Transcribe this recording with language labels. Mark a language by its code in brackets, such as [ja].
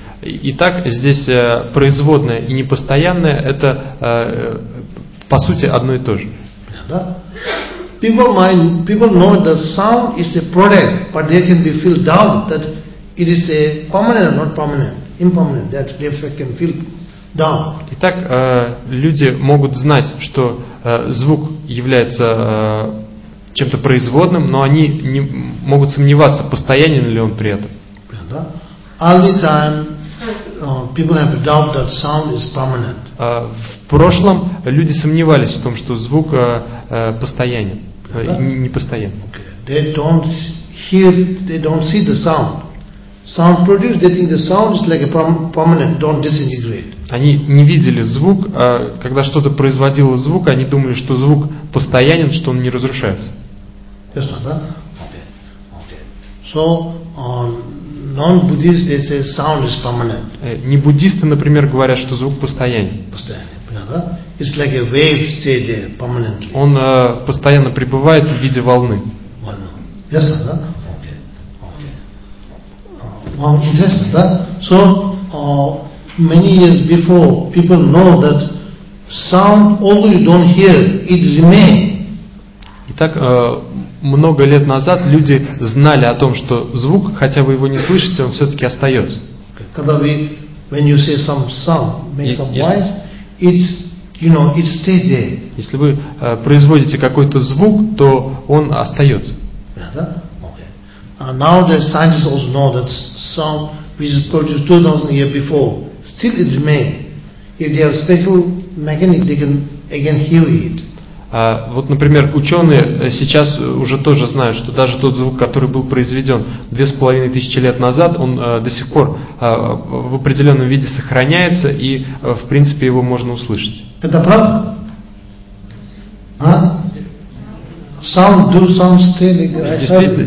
[ru] Итак, здесь производное и непостоянное — это по сути одно и то же. Да? [en] People know that sound is a product, but there can be feel doubt that it is a permanent or not permanent, impermanent. That they can feel doubt. [ru] Итак, люди могут знать, что звук является чем-то производным, но они не могут сомневаться, постоянен ли он при этом. [en] All the time, people have doubt that sound is permanent. [ru] В прошлом люди сомневались в том, что звук постоянен. Не постоянно. [en] Okay. They don't hear, they don't see the sound. Sound produced, they think the sound is like a permanent, don't disintegrate. [ru] Они не видели звук, а когда что-то производило звук, они думали, что звук постоянен, что он не разрушается. [en] Yes, sir, [ru] да? [en] Okay. So, non-Buddhists, they say sound is permanent. [ru] Не буддисты, например, говорят, что звук постоянен. [en] It's like a wave stay there permanently. [ru] Он постоянно пребывает в виде волны. [en] Yes, sir, [ru] да? [en] Okay. Okay. Yes, sir, да? So, many years before, people know that sound, although you don't hear, it remains. [ru] Итак, много лет назад люди знали о том, что звук, хотя вы его не слышите, он все-таки остается. Когда вы, [en] when you say some sound, make some noise, it's, you know, it stays there. [ru] Если вы производите какой-то звук, то он остается. [en] Yeah, okay. Now the scientists also know that sound which is produced 2000 years before still it remains. If they have special mechanic, they can again hear it. [ru] Вот, например, ученые сейчас уже тоже знают, что даже тот звук, который был произведен 2500 лет назад, он до сих пор в определенном виде сохраняется, и, в принципе, его можно услышать. Это правда? [en] А? Sound, do sound stay like that?